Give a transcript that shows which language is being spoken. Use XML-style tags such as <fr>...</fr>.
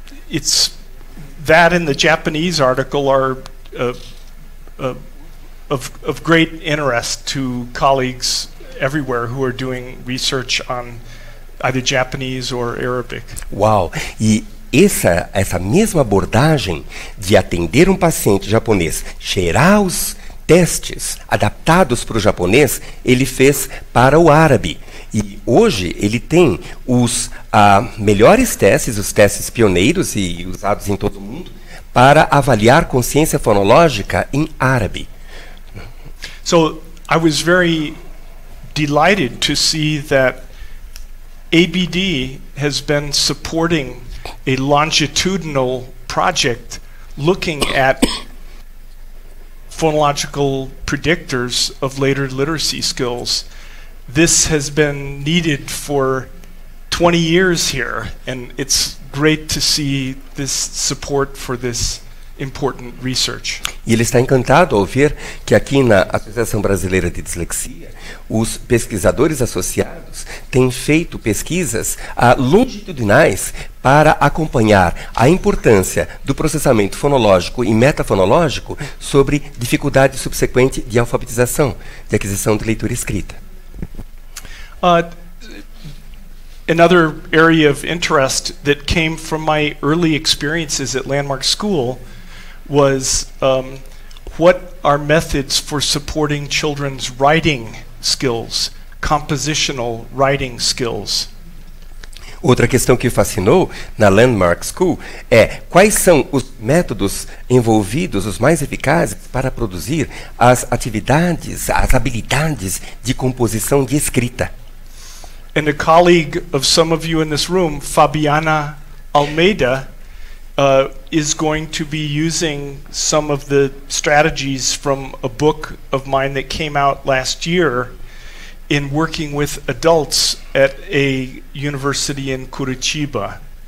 <en>it's that and the Japanese article are of great interest to colleagues everywhere who are doing research on either Japanese or Arabic. Uau!</en> <pt>E essa mesma abordagem de atender um paciente japonês, cheirar os testes adaptados para o japonês, ele fez para o árabe. E hoje ele tem os melhores testes, os testes pioneiros e usados em todo o mundo, para avaliar consciência fonológica em árabe.</pt> <en>So, I was very delighted to see that ABD has been supporting a longitudinal project looking at phonological predictors of later literacy skills. This has been needed for 20 years here, and it's great to see this support for this important research.</en> <pt>E ele está encantado ao ver que aqui na Associação Brasileira de Dislexia, os pesquisadores associados têm feito pesquisas longitudinais para acompanhar a importância do processamento fonológico e metafonológico sobre dificuldade subsequente de alfabetização, de aquisição de leitura escrita.</pt> <en>Another area of interest that came from my early experiences at Landmark School was what are methods for supporting children's writing skills, compositional writing skills.</en> <pt>Outra questão que fascinou na Landmark School é quais são os métodos envolvidos, os mais eficazes para produzir as atividades, as habilidades de composição de escrita.</pt> <en>And a colleague of some of you in this room, Fabiana Almeida, is going to be using some of the strategies from a book of mine that came out last year in working with adults at a university in Curitiba.</en>